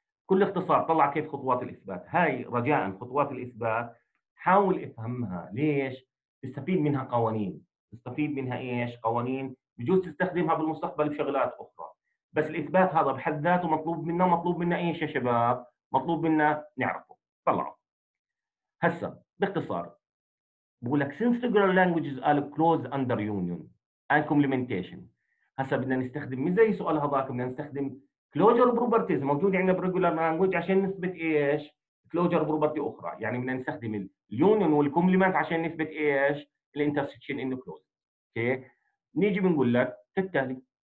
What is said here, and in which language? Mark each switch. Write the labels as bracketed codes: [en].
[ar] كل اختصار طلع كيف خطوات الاثبات. هاي رجاء خطوات الاثبات حاول افهمها. ليش؟ تستفيد منها قوانين، تستفيد منها ايش؟ قوانين بجوز تستخدمها بالمستقبل بشغلات اخرى. بس الاثبات هذا بحد ذاته مطلوب منا، مطلوب منا ايش يا شباب؟ مطلوب منا نعرفه. طلعوا هسه باختصار بقول لك [en] since regular languages are closed under union، and complementation. [ar] هسا بدنا نستخدم مش زي سؤال هذاك بدنا نستخدم closure properties موجود عندنا بالregular language عشان نثبت ايش closure property اخرى يعني بدنا نستخدم union والcomplement عشان نثبت ايش الintersection انه close اوكي نيجي بنقول لك كالتالي